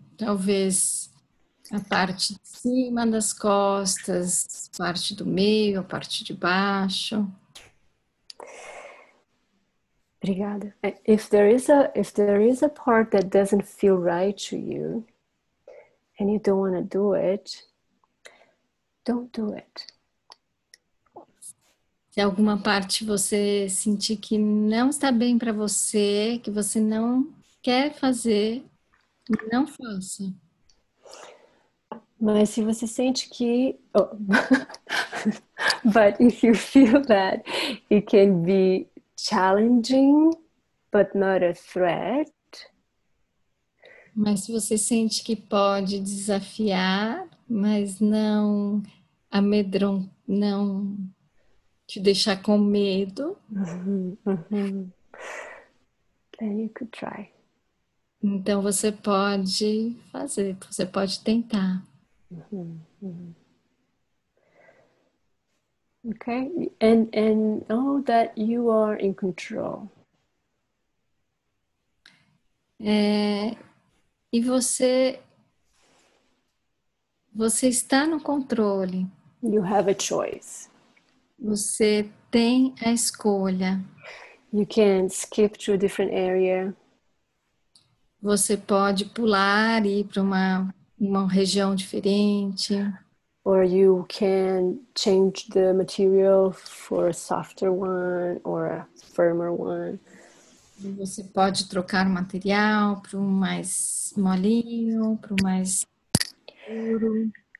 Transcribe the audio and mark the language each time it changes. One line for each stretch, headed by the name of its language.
Portuguese: Talvez a parte de cima das costas, parte do meio, a parte de baixo. Obrigada.
English: If there is a part that doesn't feel right to you and you don't want to do it, don't do it.
Portuguese: Se alguma parte você sentir que não está bem para você, que você não quer fazer, não faça. Mas se você sente que... Oh.
English: But if you feel that it can be challenging, but not a threat.
Portuguese: Mas se você sente que pode desafiar, mas não amedrontar, não te deixar com medo.
English: Then you could try.
Portuguese: Então você pode fazer, você pode tentar.
English: Okay, and know that you are in control.
Portuguese: E você está no controle.
English: You have a choice.
Portuguese: Você tem a escolha.
English: You can skip to a different area.
Portuguese: Você pode pular e ir para uma região diferente.
English: Or you can change the material for a softer one or a firmer one.
Portuguese: Você pode trocar o material para um mais molinho, para um mais duro.